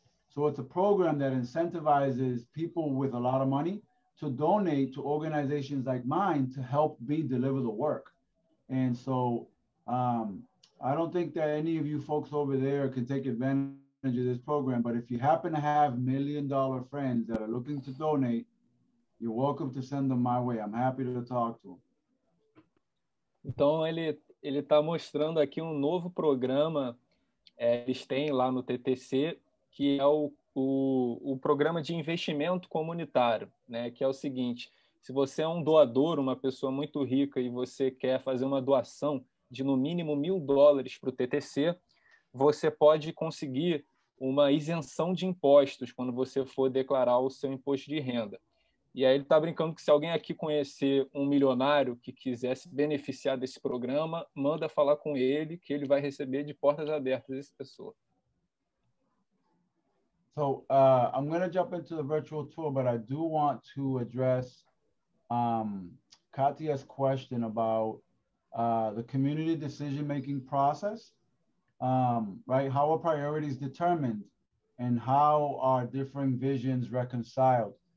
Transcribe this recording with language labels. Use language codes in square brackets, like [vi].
[en] So it's a program that incentivizes people with a lot of money to donate to organizations like mine to help me deliver the work. And so I don't think that any of you folks over there can take advantage of this program, but if you happen to have million-dollar friends that are looking to donate, you're welcome to send them my way. I'm happy to talk to them. [pt] Então, ele está mostrando aqui um novo programa eles têm lá no TTC, que é o programa de investimento comunitário, né? Que é o seguinte, se você é um doador, uma pessoa muito rica e você quer fazer uma doação de no mínimo $1,000 para o TTC, você pode conseguir uma isenção de impostos quando você for declarar o seu imposto de renda. E aí ele está brincando que se alguém aqui conhecer um milionário que quiser se beneficiar desse programa, manda falar com ele, que ele vai receber de portas abertas essa pessoa. [en] So, I'm going to jump into the virtual tour, but I do want to address Katia's question about the community decision-making process, right? How are priorities determined and how are differing visions reconciled?